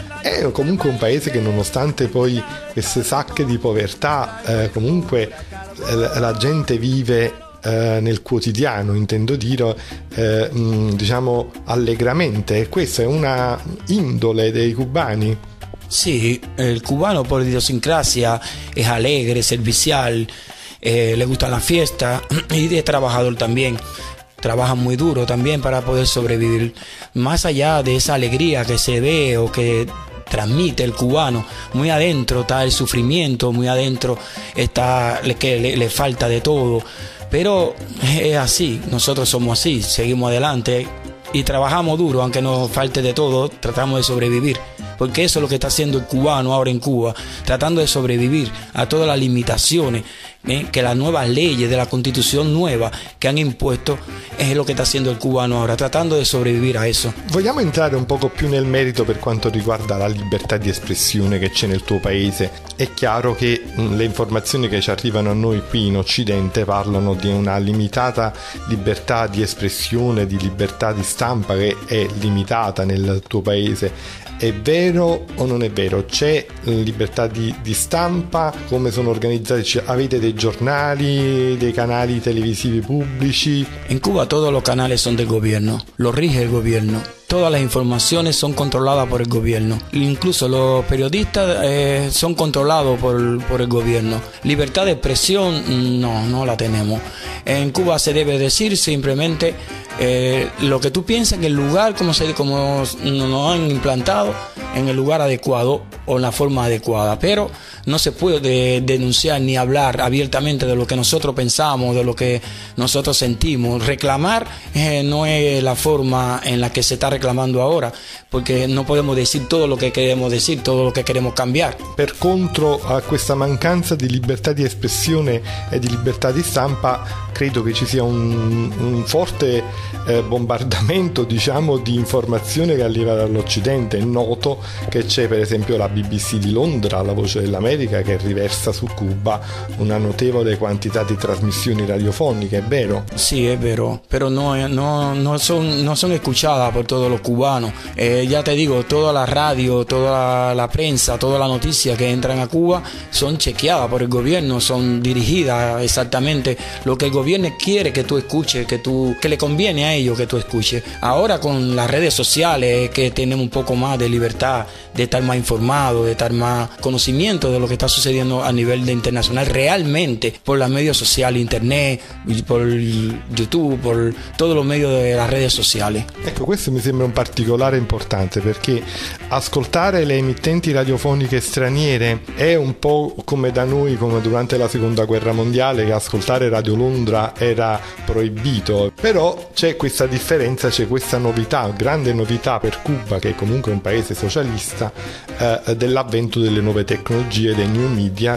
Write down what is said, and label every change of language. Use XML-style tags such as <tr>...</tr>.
<it>È comunque un paese che, nonostante poi queste sacche di povertà, comunque la gente vive nel quotidiano, intendo dire, diciamo allegramente. Questa è una indole dei cubani. Sì, il cubano, per idiosincrasia, è</it> <es>allegre, servizial, le gusta la fiesta y es trabajador también. Trabaja muy duro también para poder sobrevivir. Más allá de esa alegría que se ve o que transmite el cubano, muy adentro está el sufrimiento, muy adentro está que le falta de todo. Pero es así, nosotros somos así, seguimos adelante y trabajamos duro, aunque nos falte de todo, tratamos de sobrevivir. Porque eso es lo que está haciendo el cubano ahora en Cuba, tratando de sobrevivir a todas las limitaciones que las nuevas leyes de la constitución nueva que han impuesto es lo que está haciendo el cubano ahora, tratando de sobrevivir a eso.</es> <it>Vogliamo entrare un poco più nel merito per quanto riguarda la libertà di espressione che c'è nel tuo paese. È chiaro che le informazioni che ci arrivano a noi qui in Occidente parlano di una limitata libertà di espressione, di libertà di stampa che è limitata nel tuo paese. È vero o non è vero? C'è libertà di stampa? Come sono organizzati? Avete dei giornali, dei canali televisivi pubblici? In Cuba tutti i canali sono del governo, lo rige il governo.</it> <es>Todas las informaciones son controladas por el gobierno. Incluso los periodistas son controlados por el gobierno. Libertad de expresión, no la tenemos. En Cuba se debe decir simplemente lo que tú piensas en el lugar, como nos han implantado, en el lugar adecuado o en la forma adecuada. Pero no se puede denunciar ni hablar abiertamente de lo que nosotros pensamos, de lo que nosotros sentimos. Reclamar no es la forma en la que se está reclamando ahora, porque no podemos decir todo lo que queremos decir, todo lo que queremos cambiar.</es> <it>Per contro a questa mancanza di libertà di espressione e di libertà di stampa, credo che ci sia un forte bombardamento, diciamo, di informazione che arriva dall'Occidente. È noto che c'è per esempio la BBC di Londra, la Voce dell'America, che riversa su Cuba una notevole quantità di trasmissioni radiofoniche, è vero? Sì, è vero, però non sono escuchata per tutti i cubani.</it> <es>Ya te digo, toda la radio, toda la prensa, toda la noticia que entran a Cuba son chequeadas por el gobierno, son dirigidas exactamente lo que el gobierno quiere que tú escuches, que le conviene a ellos que tú escuches. Ahora con las redes sociales que tenemos un poco más de libertad, de estar más informado, de estar más conocimiento de lo que está sucediendo a nivel de internacional realmente por las medios sociales, internet, por YouTube, por todos los medios de las redes sociales.</es> <it>Ecco, questo mi sembra un particolare importante, perché ascoltare le emittenti radiofoniche straniere è un po' come da noi, come durante la Seconda Guerra Mondiale, che ascoltare Radio Londra era proibito. Però c'è questa differenza, c'è questa novità, grande novità per Cuba, che è comunque un paese socialista, dell'avvento delle nuove tecnologie, dei new media.</it>